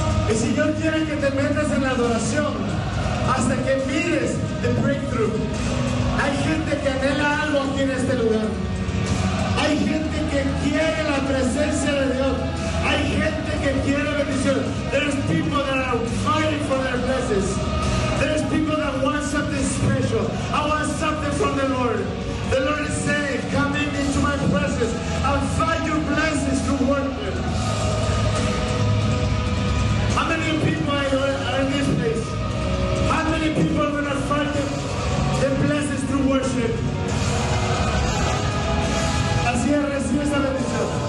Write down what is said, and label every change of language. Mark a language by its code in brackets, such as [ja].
[es] Y si Dios quiere que te metas en la adoración hasta que mires [en] the breakthrough. [es] Hay gente que anhela algo aquí en este lugar. Hay gente que quiere la presencia de Dios. Hay gente que quiere bendición. [en] There's people that are fighting for their blessings. There's people that want something special. I want something from the Lord. The Lord is saying, come into my presence and find your blessings to work with. How many people are in this place? How many people are going to find the blessings through worship? [es] Así es, recibe esa bendición.